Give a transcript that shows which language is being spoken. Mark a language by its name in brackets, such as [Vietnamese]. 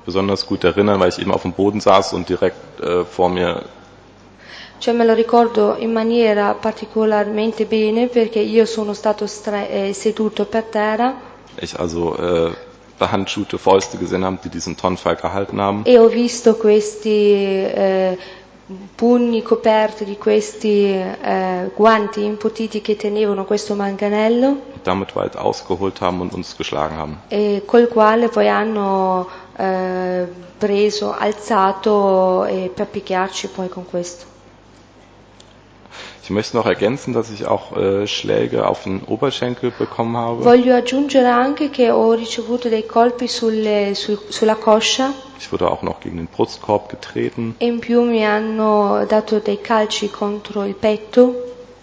[German] Besonders gut erinnern, weil ich eben auf dem Boden saß und direkt vor mir. [Italian] Cioè me lo ricordo in maniera particolarmente bene perché io sono stato seduto per terra. [German] Ich also behandschuhte Fäuste gesehen haben, die diesen Tonfa gehalten haben. [Italian] E ho visto questi pugni coperti di questi guanti imputiti che tenevano questo manganello. [German] Damit weit ausgeholt haben und uns geschlagen haben. [Italian] E col quale poi hanno preso, alzato per picchiarci poi con questo. [German] Ich möchte noch ergänzen, dass ich auch Schläge auf den Oberschenkel bekommen habe. [Italian] Voglio aggiungere anche che ho ricevuto dei colpi sulla coscia. [German] Ich wurde auch noch gegen den Brustkorb getreten. [Italian] In più mi hanno dato dei calci contro il petto.